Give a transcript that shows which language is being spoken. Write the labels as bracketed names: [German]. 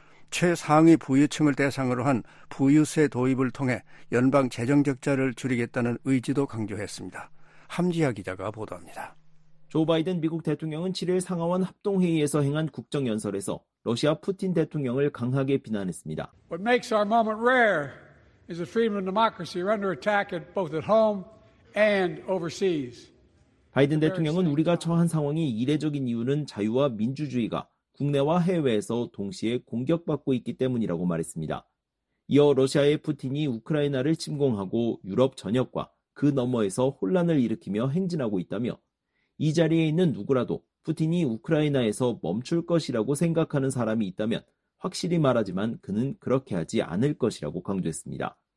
[Korean] 최상위 부유층을 대상으로 한 부유세 도입을 통해 연방 재정적자를 줄이겠다는 의지도 강조했습니다. 함지아 기자가 보도합니다. 조 바이든 미국 대통령은 7일 상하원 합동회의에서 행한 국정연설에서 러시아 푸틴 대통령을 강하게 비난했습니다. [English] What makes our moment rare is the freedom of democracy under attack both at home and overseas. [Korean] 바이든 대통령은 우리가 처한 상황이 이례적인 이유는 자유와 민주주의가 국내와 해외에서 동시에 공격받고 있기 때문이라고 말했습니다. 이어 러시아의 푸틴이 우크라이나를 침공하고 유럽 전역과 그 너머에서 혼란을 일으키며 행진하고 있다며 이 자리에 있는 누구라도 푸틴이 우크라이나에서 멈출 것이라고 생각하는 사람이 있다면 확실히 말하지만 그는 그렇게 하지 않을 것이라고 강조했습니다.